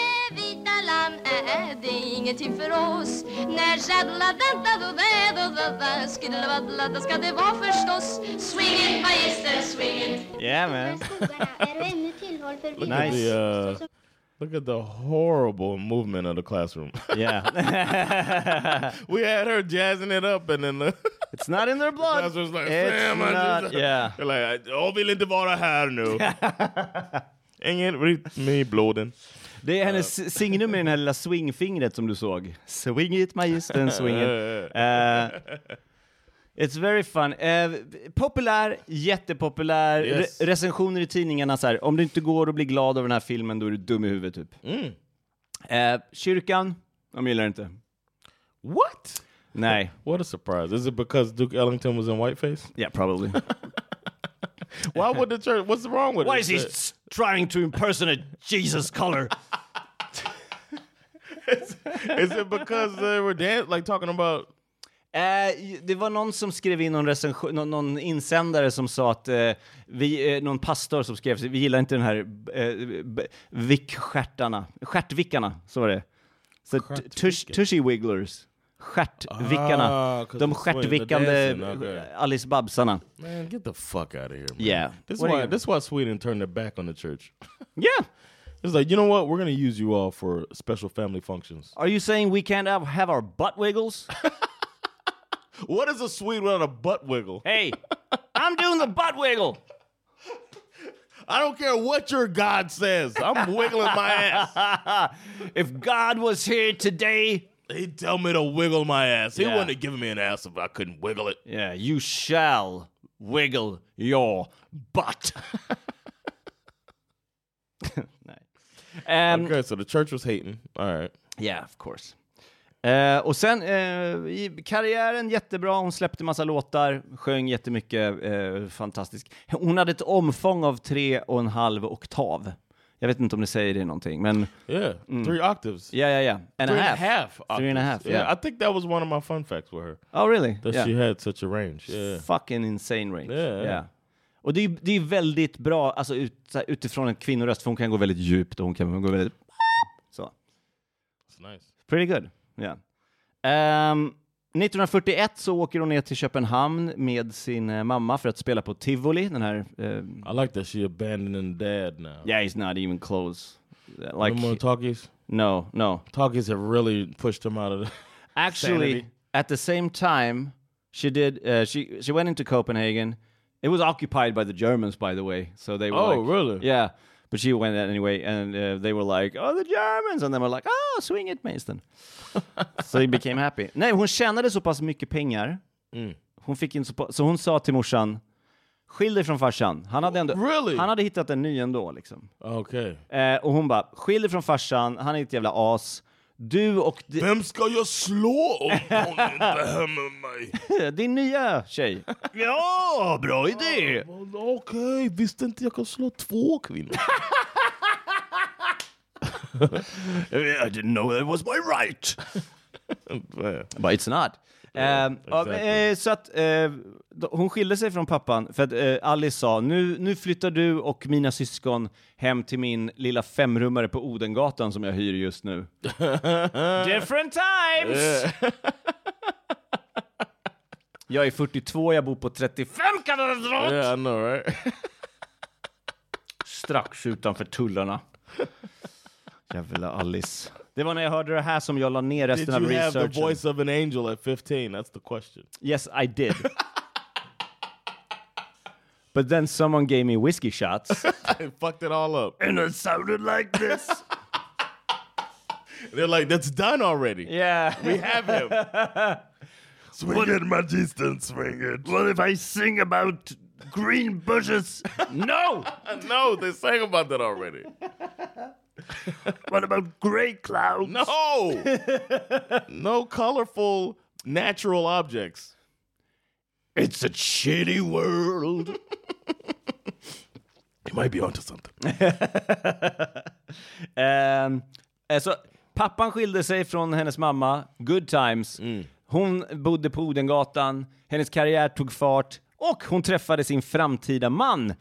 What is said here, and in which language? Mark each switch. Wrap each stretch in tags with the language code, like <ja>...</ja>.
<sv>Vita lam, det är ingenting för oss. När jadla danta du det och vadda, skulle vadla, då ska det vara förstås.</sv> <en>Swing it, maestern, swing it. Yeah, man. Nice. Look at the horrible movement of the classroom. Yeah. We had her jazzing it up and then... It's not in their blood. The classroom's like, it's fam, not, I just... Yeah. You're like,</en> <sv>all vill inte vara här nu. Ingen rytm i blåden. Det är hennes signum med den här lilla swingfingret som du såg.</sv> <en>Swing it, magistern, swing it. It's very fun.</en> <sv>Populär, jättepopulär.</sv> <en>Yes.</en> <sv>Recensioner i tidningarna så här. Om du inte går och blir glad av den här filmen, då är du dum i huvudet typ. Mm. Kyrkan, de gillar inte.</sv> <en>What?</en> <sv>Nej.</sv> <en>What a surprise. Is it because Duke Ellington was in whiteface? Yeah, probably. Why would the church... What's wrong with Why it? Why is he trying to impersonate Jesus color? is it because they were dancing, like talking about...</en> <sv>Det var någon som skrev in någon recension, någon insändare som sa att någon pastor som skrev, vi gillar inte den här vickstjärtarna, skärtvickarna, så var det. Så</sv> <en>tushy wigglers,</en> <sv>skärtvickarna, de skärtvickande Alice Babsarna.</sv> <en>Man, get the fuck out of here, man. Yeah. This is why Sweden turned their back on the church. Yeah. It's like, you know what? We're going to use you all for special family functions. Are you saying we can't have our butt wiggles? What is a Swede without a butt wiggle? Hey, I'm doing the butt wiggle. I don't care what your God says. I'm wiggling my ass. If God was here today, He tell me to wiggle my ass. He wouldn't have given me an ass if I couldn't wiggle it. Yeah, you shall wiggle your butt. Nice. Okay, so the church was hating. All right. Yeah, of course.</en> <sv>Och sen i karriären jättebra, hon släppte massa låtar, sjöng jättemycket, fantastisk. Hon hade ett omfång av 3.5 oktav. Jag vet inte om det säger det någonting, men</sv> <en>Three octaves. Yeah, yeah, yeah. And three a half. And a half. Three and a half. Yeah. I think that was one of my fun facts with her. Oh really? That she had such a range. Yeah. Fucking insane range. Yeah.</en> <sv>Och det är väldigt bra, alltså utifrån en kvinnoröst, för hon kan gå väldigt djupt och hon kan gå väldigt så.</sv> <en>It's nice. Pretty good. Ja. Yeah.</en> <sv>1941 så åker hon ner till Köpenhamn med sin mamma för att spela på Tivoli, den här</sv> <en>I like that she abandoned dad now. Yeah, he's not even close. Like, no more talkies? No, no. Talkies have really pushed him out of the actually sanity. At the same time she did she went into Copenhagen. It was occupied by the Germans, by the way. So they were really? Yeah. But she went that anyway, and they were like, oh, the Germans! And they were like, oh, swing it, Mason. So he became happy.</en> <sv>Nej, hon tjänade så pass mycket pengar. Mm. Hon fick in så hon sa till morsan, skilj dig från farsan. Han hade ändå, really? Han hade hittat en ny ändå, liksom. Okay. Och hon bara, skilj dig från farsan, han är ett jävla as. Du och... Vem ska jag slå om hon inte hör med mig? Din nya tjej. Ja, bra idé. Ja, okej, visste inte jag kan slå 2 kvinnor.</sv> <en>I didn't know that was my right. But it's not. Exactly.</en> <sv>Så att hon skilde sig från pappan för att Alice sa nu flyttar du och mina syskon hem till min lilla femrummare på Odengatan som jag hyr just nu.</sv> <en>Different times.</en> <sv>Jag är 42, jag bor på 35 kvadrat.</sv> <en>Yeah, I know, right?</en> <sv>Strax utanför tullarna. Jävla Alice. Det var när jag hörde det här som jag la ner resten av researchen.</sv> <en>Did you have the voice of an angel at 15? That's the question. Yes, I did. But then someone gave me whiskey shots. And fucked it all up. And it sounded like this. They're like, that's done already. Yeah. We have him. Swing it, my distant, swing it. What if I sing about green bushes? No! No, they sang about that already. What about gray clouds? No! No colorful, natural objects. It's a shitty world. You might be onto something.</en> <sv>Så pappan skilde sig från hennes mamma.</sv> <en>Good times.</en> <sv>Mm. Hon bodde på Odengatan. Hennes karriär tog fart. Och hon träffade sin framtida man.</sv>